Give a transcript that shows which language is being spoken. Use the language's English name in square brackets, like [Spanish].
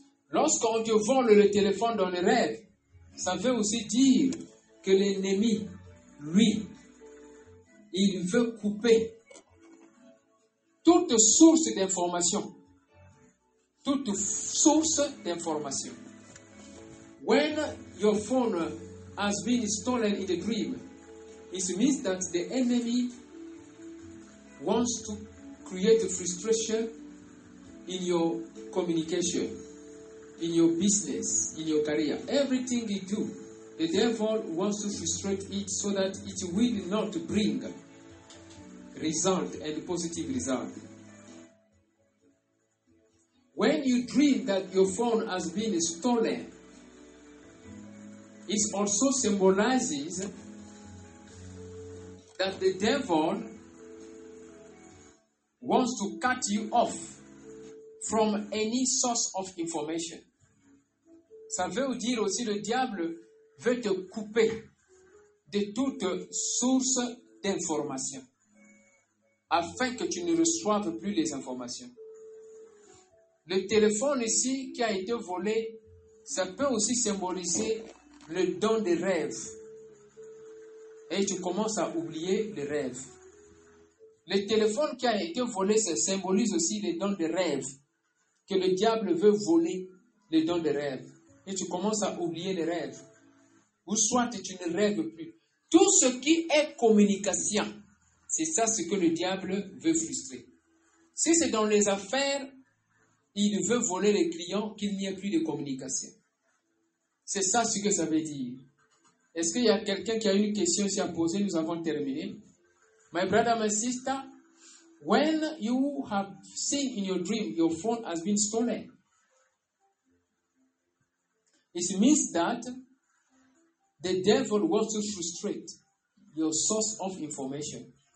[French] Lorsqu'on te vend le téléphone dans le rêve, ça veut aussi dire que l'ennemi, lui, il veut couper toute source d'information. Toute source d'information. [English] When your phone has been stolen in the dream, it means that the enemy wants to create frustration in your communication, in your business, in your career. Everything you do, the devil wants to frustrate it so that it will not bring result and positive result. When you dream that your phone has been stolen, it also symbolizes that the devil wants to cut you off from any source of information. [French] Ça veut dire aussi le diable veut te couper de toute source d'information afin que tu ne reçoives plus les informations. Le téléphone ici qui a été volé, ça peut aussi symboliser le don des rêves. Et tu commences à oublier les rêves. Le téléphone qui a été volé, ça symbolise aussi le don des rêves. Que le diable veut voler le don des rêves. Et tu commences à oublier les rêves. Ou soit tu ne rêves plus. Tout ce qui est communication, c'est ça ce que le diable veut frustrer. Si c'est dans les affaires, il veut voler les clients, qu'il n'y ait plus de communication. C'est ça ce que ça veut dire. Est-ce qu'il y a quelqu'un qui a une question à poser? Nous avons terminé. [English] My brother, my sister, when you have seen in your dream your phone has been stolen, it means that the devil wants to frustrate your source of information.